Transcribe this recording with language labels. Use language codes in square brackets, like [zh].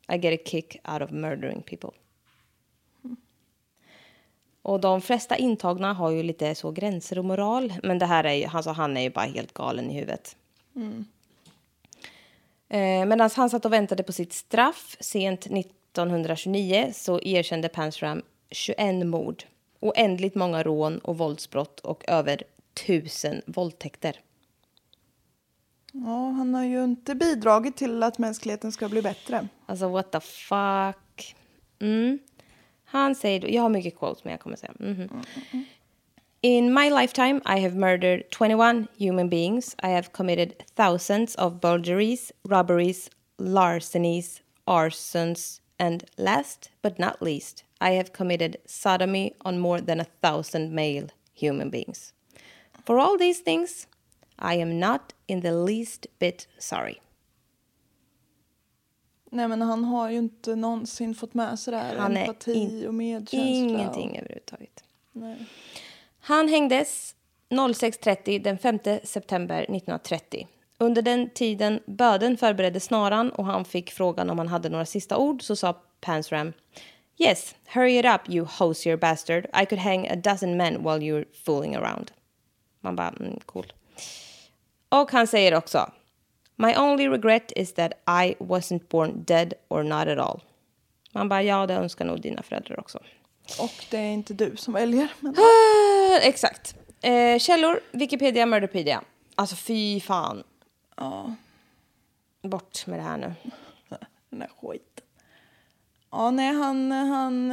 [en] I get a kick out of murdering people. [sv] Och de flesta intagna har ju lite så gränser och moral. Men det här är ju, alltså han är ju bara helt galen i huvudet. Medan han satt och väntade på sitt straff sent 1929 så erkände Pansram 21 mord. Oändligt många rån och våldsbrott och över 1000 våldtäkter. Ja, han har ju inte bidragit till att mänskligheten ska bli bättre. [en] Alltså, what the fuck? [sv] Han säger, jag har mycket quotes men jag kommer säga. [en] In my lifetime I have murdered 21 human beings. I have committed thousands of burglaries, robberies, larcenies, arsons and last but not least, I have committed sodomy on more than 1,000 male human beings. For all these things, I am not in the least bit sorry. [sv] Nej, men han har ju inte någonsin fått med sig det här. Han empati och medkänsla. Ingenting överhuvudtaget. Nej. Han hängdes 06.30 den 5 september 1930. Under den tiden böden förberedde snaran och han fick frågan om han hade några sista ord så sa Pansram: [en] Yes, hurry it up, you hosier bastard. I could hang 12 men while you're fooling around. [sv] Man bara, cool. Och han säger också: [en] My only regret is that I wasn't born dead or not at all. [sv] Man bara, ja, det önskar nog dina föräldrar också. Och det är inte du som väljer. Men... Exakt. Källor, Wikipedia, Murderpedia. Alltså fy fan. Ja. Bort med det här nu. Den här skiten. Ja, nej, han...